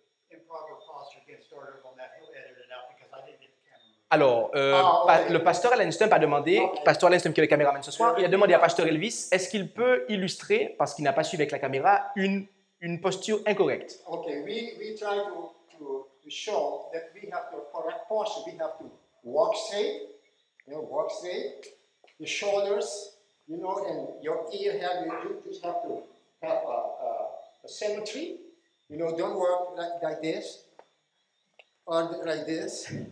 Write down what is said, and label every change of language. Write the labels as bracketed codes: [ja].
[en] Improper posture against order on that. He'll edit it out because I didn't get the camera. [fr] Alors, le pasteur Alan Stump a demandé, pasteur Alan Stump qui est le caméraman ce soir, il a demandé à pasteur Elvis, est-ce qu'il peut illustrer, parce qu'il n'a pas su avec la caméra, une posture incorrecte. [en] Ok, we try to show that we have the correct posture. We have to walk straight, the shoulders, and your ear have, you just have to have a symmetry. You know, don't walk like this, or like this.